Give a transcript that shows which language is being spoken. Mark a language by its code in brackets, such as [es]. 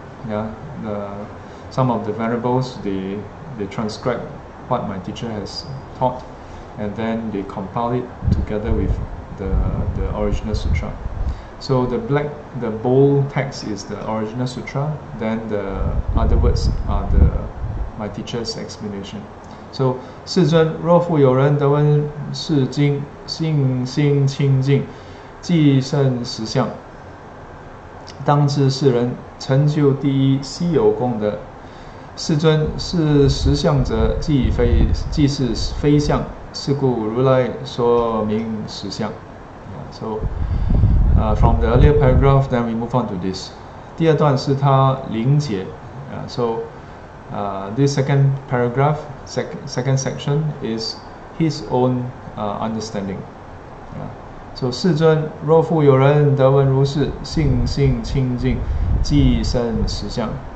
[en] Yeah, some of the venerables, they transcribe what my teacher has taught, and then they compile it together with the original sutra. So the black, the bold text is the original sutra, then the other words are my teacher's explanation. [zh] So, 世尊若复有人得闻是经，信心清净，即胜实相，当知世人成就第一稀有功德。世尊是实相者，即是非相，是故如来说明实相. [en] So, from the earlier paragraph, then we move on to this. [zh] 第二段是他灵解. [en] So, this second paragraph, second section, is his own understanding. [zh] Yeah. So, 世尊若复有人得闻如是信心清净即胜实相.